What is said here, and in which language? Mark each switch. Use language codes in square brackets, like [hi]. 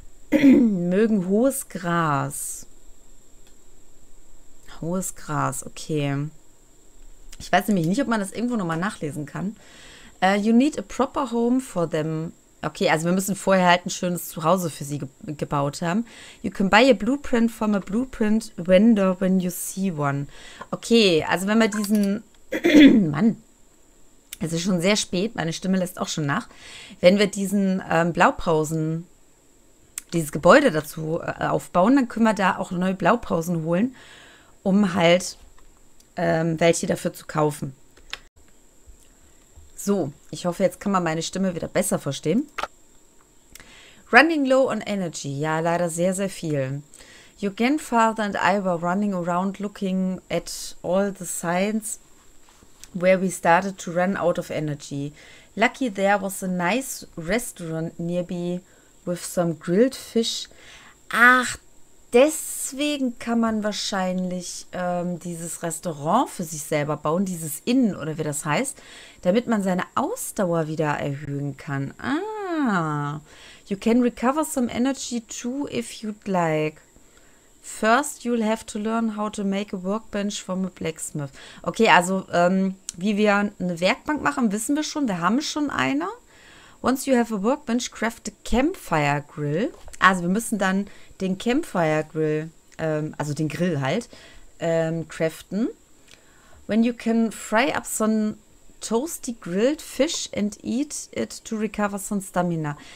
[de] Mögen hohes Gras. Hohes Gras, okay. Ich weiß nämlich nicht, ob man das irgendwo nochmal nachlesen kann. [en] You need a proper home for them. [de] Okay, also wir müssen vorher halt ein schönes Zuhause für sie gebaut haben. [en] You can buy a blueprint from a blueprint vendor when you see one. [de] Okay, also wenn wir diesen... Mann, es ist schon sehr spät, meine Stimme lässt auch schon nach. Wenn wir diesen Blaupausen, dieses Gebäude dazu aufbauen, dann können wir da auch neue Blaupausen holen, um halt welche dafür zu kaufen. So, ich hoffe, jetzt kann man meine Stimme wieder besser verstehen. [en] Running low on energy. [de] Ja, leider sehr, sehr viel. [en] Your grandfather and I were running around looking at all the signs where we started to run out of energy. Lucky there was a nice restaurant nearby with some grilled fish. [de] Ach, deswegen kann man wahrscheinlich dieses Restaurant für sich selber bauen, dieses Inn oder wie das heißt, damit man seine Ausdauer wieder erhöhen kann. [en] Ah, you can recover some energy too if you'd like. First you'll have to learn how to make a workbench from a blacksmith. [de] Okay, also wie wir eine Werkbank machen, wissen wir schon. Wir haben schon eine. [en] Once you have a workbench, craft a campfire grill. [de] Also wir müssen dann den Campfire Grill, also den Grill halt, craften. [en] When you can fry up some toasty grilled fish and eat it to recover some stamina.